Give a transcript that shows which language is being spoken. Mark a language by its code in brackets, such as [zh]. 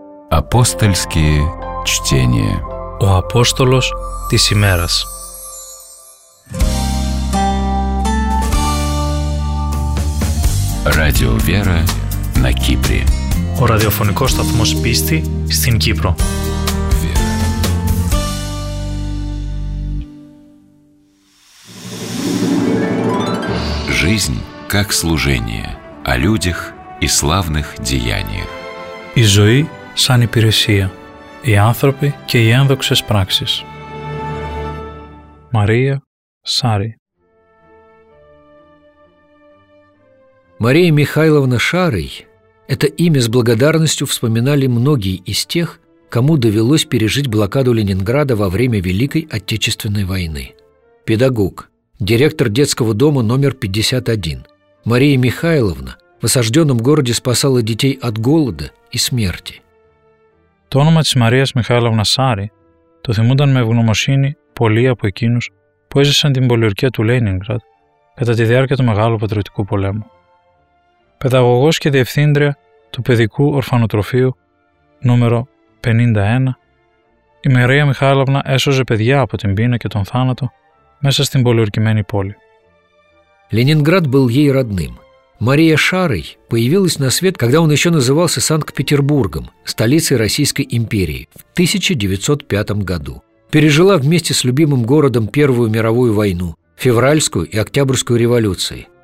[ru] Апостольские чтения. [el] Ο Απόστολος της ημέρας. [ru] Radio Vera на Кύπρη. [el] Ο ραδιοφωνικός σταθμός πίστη στην Κύπρο. [ru] Жизнь как служение, о людях и славных деяниях. [el] Η ζωή σαν υπηρεσία, οι άνθρωποι και οι ένδοξες πράξεις. Μαρία Σάρι. [ru] Мария Михайловна Шарый – это имя с благодарностью вспоминали многие из тех, кому довелось пережить блокаду Ленинграда во время Великой Отечественной войны. Педагог, директор детского дома номер 51. Мария Михайловна в осажденном городе спасала детей от голода и смерти. [el] Το όνομα της Μαρίας Μιχάλαβνας Σάρι το θυμούνταν με ευγνωμοσύνη πολλοί από εκείνους που έζησαν την πολιορκία του Λένιγκραντ κατά τη διάρκεια του Μεγάλου Πατριωτικού Πολέμου. Παιδαγωγός και διευθύντρια του Παιδικού Ορφανοτροφείου νούμερο 51, η Μαρία Μιχάλαβνα έσωζε παιδιά από την πείνα και τον θάνατο μέσα στην πολιορκημένη πόλη. [ru] Λένιγκραντ был ей родным. Мария Шарый появилась на свет, когда он еще назывался Санкт-Петербургом, столицей Российской империи, в 1905 году. Пережила вместе с любимым городом Первую мировую войну, Февральскую и Октябрьскую революции.